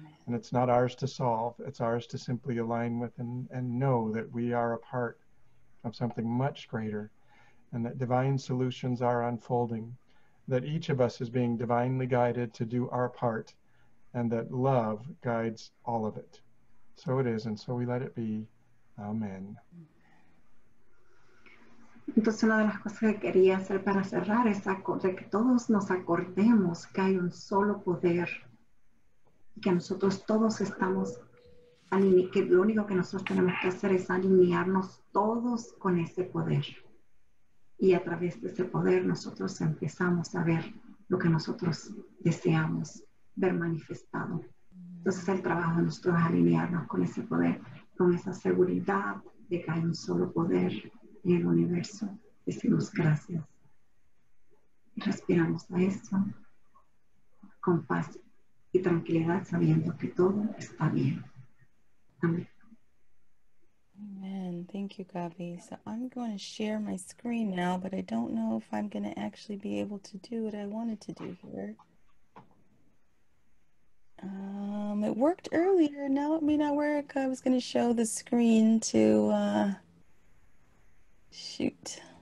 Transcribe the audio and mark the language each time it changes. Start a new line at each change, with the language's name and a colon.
English: And it's not ours to solve. It's ours to simply align with and know that we are a part of something much greater and that divine solutions are unfolding, that each of us is being divinely guided to do our part and that love guides all of it. So it is, and so we let it be. Amen.
Spanish: Entonces, una de las cosas que quería hacer para cerrar es de que todos nos acordemos que hay un solo poder y que nosotros todos estamos, que lo único que nosotros tenemos que hacer es alinearnos todos con ese poder. Y a través de ese poder nosotros empezamos a ver lo que nosotros deseamos ver manifestado. Entonces, el trabajo de nosotros es alinearnos con ese poder, con esa seguridad de que hay un solo poder en el universo, decimos gracias. Respiramos a eso con paz y tranquilidad, sabiendo que todo está bien. Amén.
English: Amen. Thank you, Gabby. So I'm going to share my screen now, but I don't know if I'm going to actually be able to do what I wanted to do here. It would it worked earlier. Now it may not work. I was going to show the screen to shoot.